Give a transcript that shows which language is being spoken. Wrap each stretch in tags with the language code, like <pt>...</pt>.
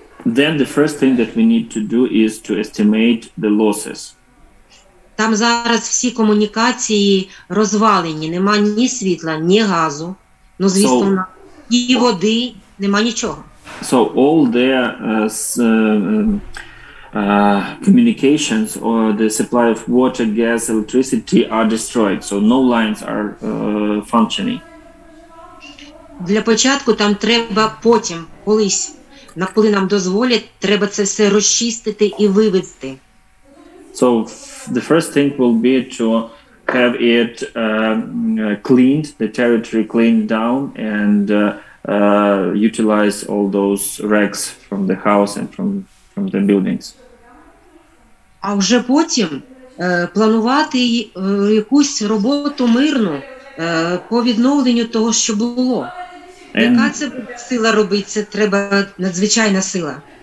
<en>Then the first thing that we need to do is to estimate the losses.</en> <uk>Там зараз всі комунікації розвалені, нема ні світла, ні газу. Ну, звісно, ні води, нема нічого.</uk> <en>So all the communications or the supply of water, gas, electricity are destroyed. So no lines are functioning.</en> <uk>Для початку там треба потім колись коли нам дозволять, треба це все розчистити і вивезти.</uk> <en>So the first thing will be to have it cleaned, the territory cleaned down and utilize all those wrecks from the house and from the buildings.</en> <uk>А вже потім планувати якусь роботу мирну по відновленню того, що було. Яка це буде сила робити? Це треба надзвичайна сила.</uk>